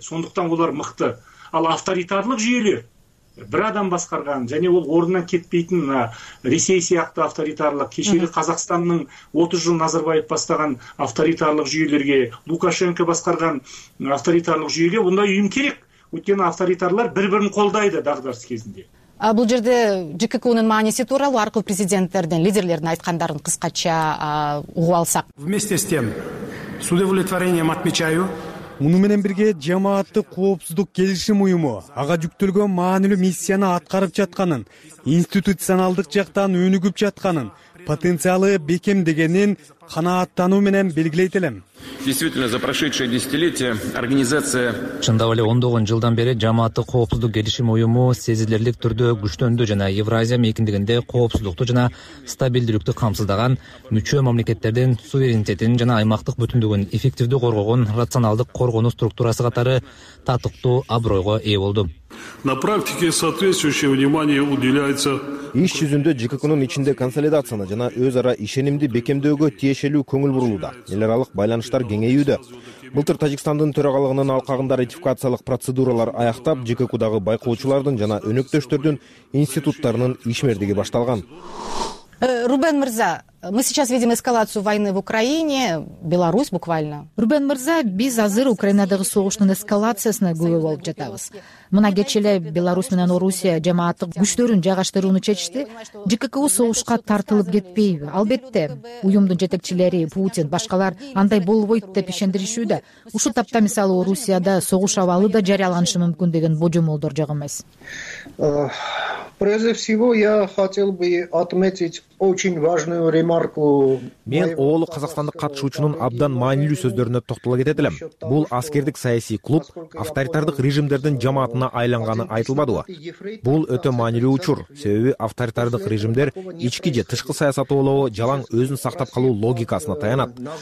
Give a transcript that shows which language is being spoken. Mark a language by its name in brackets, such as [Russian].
[Kazakh] Сондықтан олар мықты. Ал авторитарлық жүйелер, бір адам басқарған және ол орнынан кетпейтін Ресей сияқты авторитарлық, кешегі Қазақстанның 30 жыл Назарбаев бастаған авторитарлық жүйелерге, Лукашенко басқарған авторитарлық жүйеге ондай ұйым керек. Өйткені авторитарлар бір-бірін қолдайды дағдарыс кезінде. Бұл жерде ЖКК-ның маңызы туралы арқылы президенттердің, лидерлердің айтқандарын қысқаша ұғып алсақ. [Russian] Вместе с тем, с удовлетворением отмечаю. [Kazakh] Мұныменен бірге [Kyrgyz] жамаатты қоопсуздук келишим уюму ага жүктөлгөн маанилүү миссияны аткарып жатканын, институционалдык жактан өнүгүп жатканын, потенциалы бекем дегенин канааттануу менен белгилейт элем. [Russian] Действительно, за прошедшие десятилетия организация... [Kyrgyz] Чындап эле 19 жылдан бери жамааттык коопсуздук келишим уюму сезилерлик түрдө күчтөндү жана Евразия мейкиндигинде коопсуздукту жана стабилдүүлүктү камсыздаган мүчө мамлекеттердин суверенитетин жана аймактык бүтүндүгүн эффективдүү коргогон рационалдык коргонуу структурасы катары татыктуу абройго ээ болду. [Russian] На практике соответствующее внимание уделяется... [Kyrgyz] Иш жүзүндө ЖКК-нун ичинде консолидацияны жана өз ара ишенимди бекемдөөгө тиешелүү көңүл бурулууда. Эларалык байланыштар кеңейүүдө. Былтыр Тажикстандын төрагалыгынын алкагында ратификациялык процедуралар аяктап, ЖКК-дагы байкоочулардын жана өнөктөштөрдүн институттарынын ишмердиги башталган. [Russian] Рубен Мырза, мы сейчас видим эскалацию войны в Украине, Беларусь буквально. [Kyrgyz] Рубен Мырза, биз азыр Украинадагы согуштун эскалациясына күбө болуп жатабыз. Мына кече эле Беларусь менен Орусия жамааттык күчтөрүн жайгаштырууну чечти. ЖКК согушка тартылып кетпейби? Албетте, уюмдун жетекчилери, Путин, башкалар андай болбойт деп ишендиришүүдө. Ушул тапта мисалы Орусияда согуш абалы да жарыяланышы мүмкүн деген божомолдор жок эмес. [Russian] Прежде всего, я хотел бы отметить очень важную ремарку. [Kyrgyz] Мен оолу Казакстандык катышуучунун абдан маанилүү сөздөрүнө токтоло кетет элем. Бул аскердик саясий клуб авторитардык режимдердин жамаатына айланганы айтылбадыбы? Бул өтө маанилүү учур, себеби авторитардык режимдер ички же тышкы саясаты болобу жалаң өзүн сактап калуу логикасына таянат.